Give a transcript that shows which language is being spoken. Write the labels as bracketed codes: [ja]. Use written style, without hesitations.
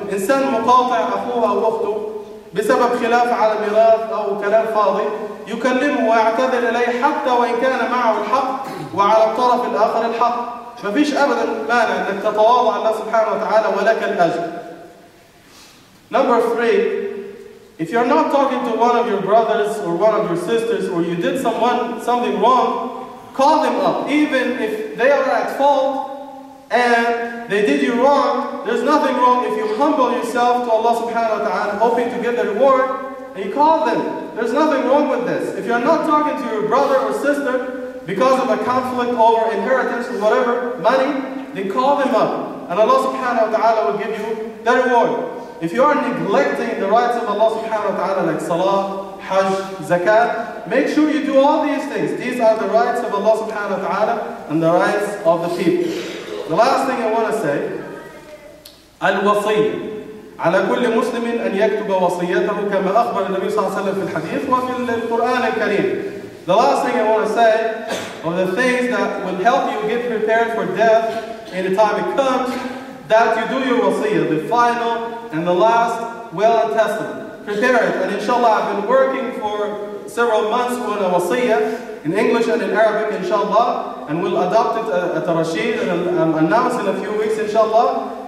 [ar] إنسان مقاطع أخوه أو أخته بسبب خلاف على ميراث أو كلام فاضي يكلمه ويعتذر إليه حتى وإن كان معه الحق وعلى الطرف الآخر الحق. ما فيش أبدا مانع أنك تتواضع لله سبحانه وتعالى ولك الأجر. [en] Number three, if you're not talking to one of your brothers or one of your sisters or you did something wrong, call them up. Even if they are at fault and they did you wrong, there's nothing wrong if you humble yourself to Allah subhanahu wa ta'ala, hoping to get the reward, and you call them. There's nothing wrong with this. If you're not talking to your brother or sister because of a conflict over inheritance or whatever, money, then call them up. And Allah subhanahu wa ta'ala will give you the reward. If you are neglecting the rights of Allah subhanahu wa ta'ala, like salah, hajj, zakat, make sure you do all these things. These are the rights of Allah subhanahu wa ta'ala and the rights of the people. The last thing I want to say, [ar] الوصية على كل مسلم أن يكتب وصيته كما أخبر النبي صلى الله عليه وسلم في الحديث وفي القرآن الكريم. [en] The last thing I want to say, of the things that will help you get prepared for death in the time it comes, that you do your wasiyya, the final and the last will and testament. Prepare it. And inshallah, I've been working for several months on a wasiyya in English and in Arabic, inshallah, and we'll adopt it at a Rashid and announce in a few weeks, inshallah.